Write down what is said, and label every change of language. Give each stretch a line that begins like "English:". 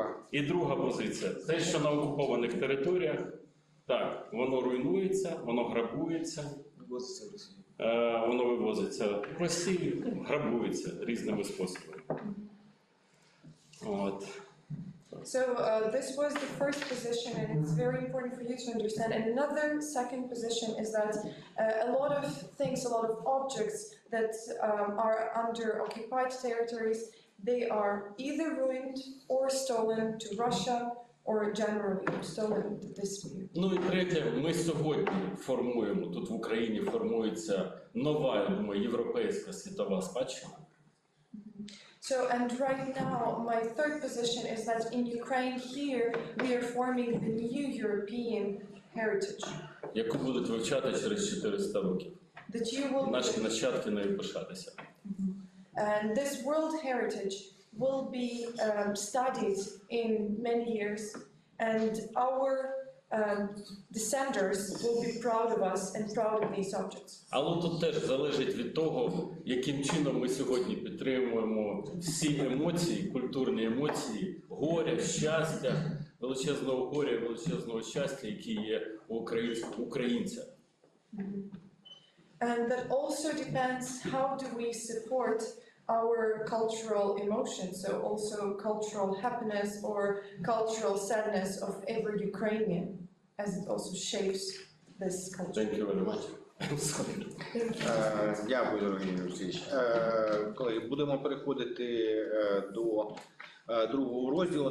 Ukrainian: І друга позиція. Те, що на окупованих територіях. Так, воно руйнується, воно грабується, воно вивозиться в Росію, грабується різними способами. От.
English: So, this was the first position, and it's very important for you to understand. And another second position is that a lot of things, a lot of objects that are under occupied territories, they are either ruined or stolen to Russia, or generally stolen dispute.
Ukrainian: Ну і третє, ми сьогодні формуємо, тут в Україні формується нова, я думаю, європейська світова спадщина.
English: So, and right now, my third position is that in Ukraine, here, we are forming the new European heritage.
Ukrainian: Яку будуть вивчати через 400 років.
English: That you will...
Ukrainian: Наші нащадки нею пишатися.
English: And this world heritage will be studied in many years, and our descendants will be proud of us and proud of these objects. Але тут теж залежить від того, яким чином ми сьогодні підтримуємо всі емоції, культурні емоції, горя, щастя, величезного горя, величезного щастя, які є у українця. And that also depends how do we support our cultural emotions, so also cultural happiness or cultural sadness of every Ukrainian, as it also shapes this culture. Thank you very much.
Ukrainian: Дякую, дорогі друзі. Колеги, будемо переходити до другого розділу.